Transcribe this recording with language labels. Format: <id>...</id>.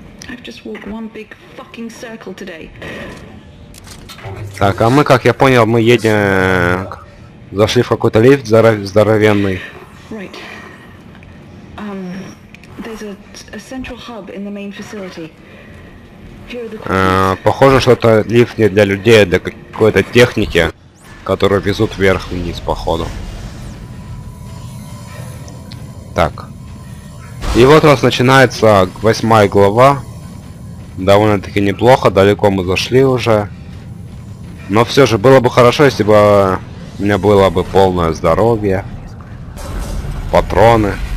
<en>I've just walked one big fucking circle today.</en> <ru>Так, а мы, как я понял, мы едем, зашли в какой-то лифт здоровенный.</ru> <en>Right. There's a central hub in the main facility.</en> <ru>Похоже, что это лифт не для людей, а для какой-то техники, которую везут вверх-вниз, походу. Так. И вот у нас начинается 8 глава. Довольно-таки неплохо, далеко мы зашли уже. Но все же было бы хорошо, если бы у меня было бы полное здоровье. Патроны.</ru>